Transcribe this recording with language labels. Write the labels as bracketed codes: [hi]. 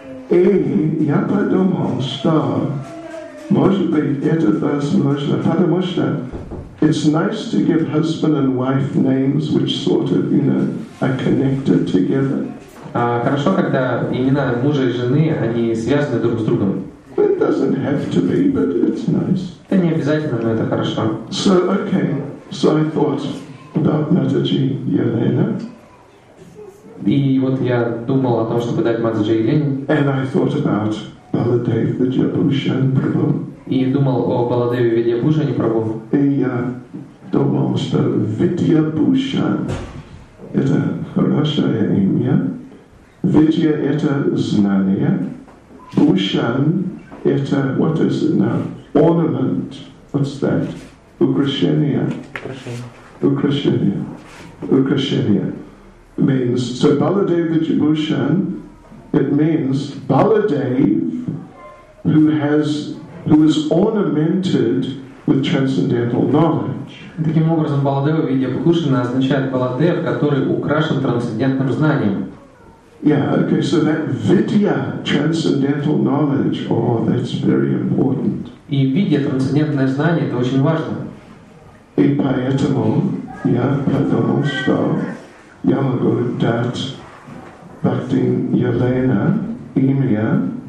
[ru] И я подумал, что, может быть, это возможно, потому что [en] it's nice to give husband and wife names which sort of, you know, are connected together. [ru] Хорошо, когда имена мужа и жены, они связаны друг с другом. [en] It doesn't have to be, but it's nice. [ru] Это не обязательно, но это хорошо. [en] So, okay. So I thought about Матаджи Елена. [ru] И вот я думал о том, чтобы дать Матаджи Елене. [en] And I thought about Баладев Виджабушан Прабху. [ru] И думал о Баладеве Виджабушане Прабху. И я думал, что Виджабушан это хорошее имя. Видья это знание. Бушан это, [en] what is it now? Ornament. What's that? [ru] Украшение. Украшение. [en] Means, so Баладев Виджабушан, it means Баладев, who is ornamented with transcendental knowledge. [ru] Таким образом, Баладева Виджабушана означает Баладев, который украшен трансцендентным знанием. [en] Yeah, okay, so that vidya, transcendental knowledge, oh, that's very important. [ru] И видья, трансцендентное знание, это очень важно. И поэтому я подумал, что я могу дать Бхакти Елена имя.